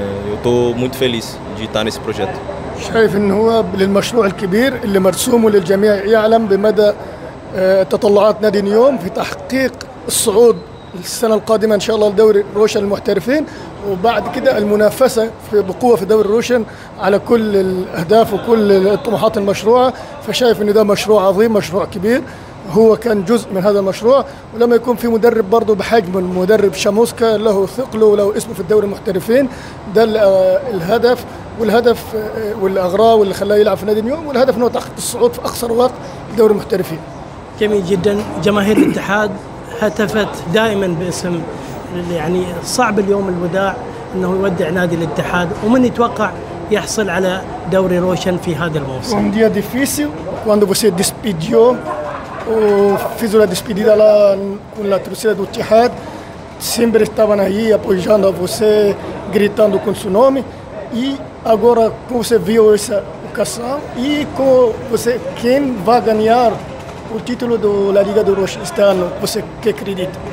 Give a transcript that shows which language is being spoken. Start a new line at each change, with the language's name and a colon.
Portuguese: Eu estou muito feliz de estar nesse projeto.
Arabic: شايف انه هو للمشروع الكبير اللي مرسومه للجميع يعلم بمدى تطلعات نادي نيوم في تحقيق الصعود السنه القادمه ان شاء الله لدوري روشن المحترفين وبعد كده المنافسه بقوه في دوري روشن على كل الاهداف وكل الطموحات المشروع فشايف انه ده مشروع عظيم مشروع كبير هو كان جزء من هذا المشروع ولما يكون في مدرب برضه بحجم المدرب شاموسكا له ثقله وله اسمه في الدوري المحترفين ده الهدف والهدف والاغراض واللي خلاه يلعب في نادي نيوم والهدف انه تحقيق الصعود في اقصر وقت لدوري المحترفين. جميل جدا جماهير الاتحاد هتفت دائما باسم يعني صعب اليوم الوداع انه يودع نادي الاتحاد ومن يتوقع يحصل على دوري روشن في هذا الموسم.
Portuguese: Um dia difícil quando você despediu ou fiz a despedida lá com a torcida do Tihad, sempre estavam aí apoiando a você, gritando com seu nome. E agora, como você viu essa ocasião, e com você, quem vai ganhar o título da Liga do Roxo este ano, você que acredita?